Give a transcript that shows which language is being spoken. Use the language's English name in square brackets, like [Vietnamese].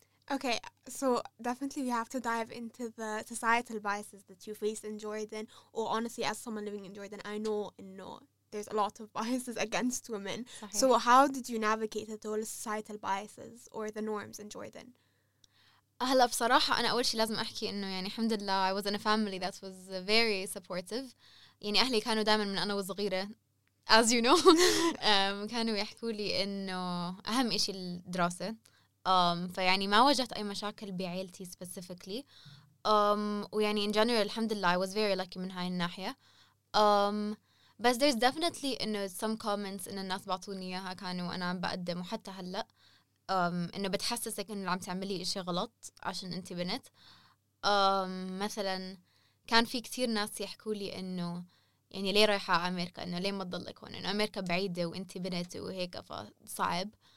[English] Okay, so definitely we have to dive into the societal biases that you faced in Jordan. Or honestly, as someone living in Jordan, I know and know. There's a lot of biases against women. [Arabic] صحيح. [English] So how did you navigate the whole societal biases or the norms in Jordan? [Arabic] هلا بصراحة أنا أول شيء لازم أحكي إنه الحمد لله [English] I was in a family that was very supportive. [Arabic] أهلي كانوا دائما من أنا وصغيرة, [English] as you know, [Arabic] كانوا يحكوا لي إنه أهم إشي الدراسة. فيعني ما واجهت أي مشاكل بعيلتي specifically. ويعني [English] in general [Arabic] الحمد لله [English] I was very lucky [Arabic] من هاي الناحية. [English] But there's definitely some comments [Arabic] إنه الناس بعطوني إياها كانوا أنا عم بقدم وحتى هلا إنه بتحسسك إنه عم تعملي إشي غلط عشان أنت بنت. مثلا كان في كتير ناس يحكولي إنه ليه رايحة على أمريكا, إنه ليه ما تضلك هون, إنه أمريكا بعيدة وأنت بنت وهيك فصعب.